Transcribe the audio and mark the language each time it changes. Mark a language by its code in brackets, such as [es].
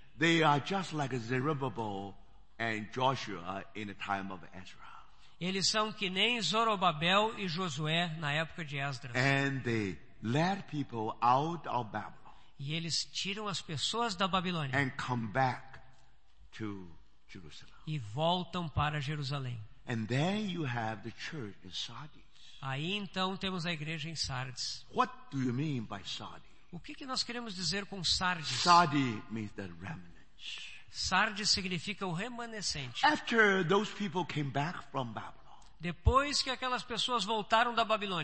[en] they are just like Zerubbabel and Joshua in the time of Ezra. [pt] Eles são que nem Zorobabel e Josué na época de Esdras. [en] And they led people out of Babylon. [pt] E eles tiram as pessoas da Babilônia. [en] And come back to Jerusalem. [pt] E voltam para Jerusalém. [en] And then you have the church in Sardis. [pt] Aí então temos a igreja em Sardes. [en] What do you mean by Sardis? [pt] O que nós queremos dizer com Sardes? [en] Sardis means the remnant. [pt] Sardes significa o remanescente. [en] After those people came back from Babylon. [pt] Depois que aquelas pessoas voltaram da Babilônia.